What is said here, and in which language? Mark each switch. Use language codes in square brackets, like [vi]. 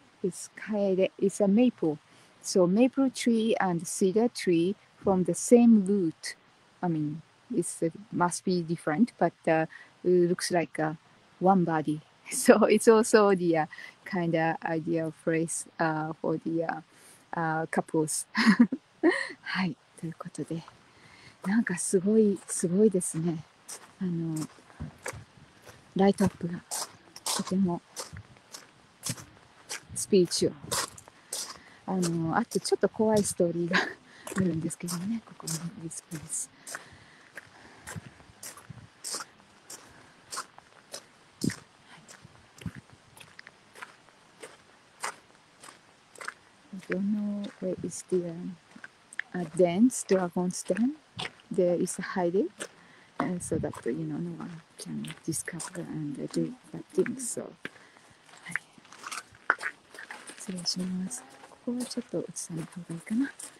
[en] It's kaede, it's a maple. So maple tree and cedar tree from the same root. I mean, it must be different, but it looks like one body. So it's also the kind of ideal phrase for the couples. [ja] はい、ということで。なんかすごい、すごいですね。あの、ライトアップがとてもスピリチュアル。あの、あとちょっと怖いストーリーがあるんですけどね、ここのディスプレイ。 [en] I don't know where is the dance, dragon's den. There is a hiding, so that you know, no one can discover and do that thing. So, sorry. [ja] ここはちょっと映さない方がいいかな。